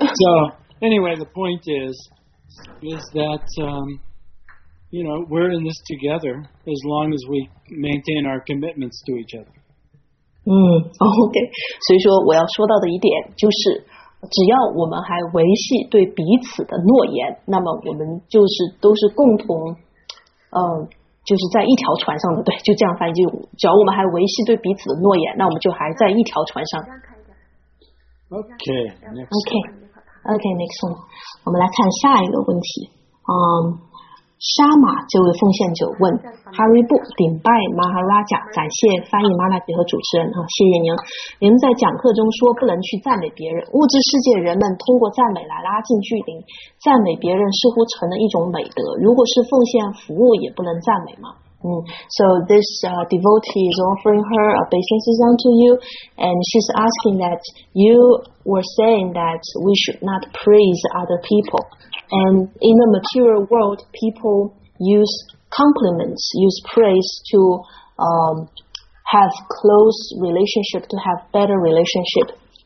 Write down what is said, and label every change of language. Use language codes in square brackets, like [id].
[en] So anyway, the point is that, you know, we're in this together as long as we maintain our commitments to each other. OK. [zh] 所以说我要说到的一点就是只要我们还维系对彼此的诺言，那么我们就是都是共同就是在一条船上的，对，就这样翻译，就只要我们还维系对彼此的诺言，那我们就还在一条船上。 [en] OK, next OK. Okay, next one. [zh] 我们来看下一个问题。沙马这位奉献者问 ：Hari Bu, 顶拜 Maharaja, 感谢翻译 Maharaja 和主持人啊，谢谢您。您在讲课中说不能去赞美别人，物质世界人们通过赞美来拉近距离，赞美别人似乎成了一种美德。如果是奉献服务，也不能赞美吗？ [en] So this devotee is offering her obeisances unto you, and she's asking that you were saying that we should not praise other people. And in the material world, people use compliments, use praise to have close relationship, to have better relationship.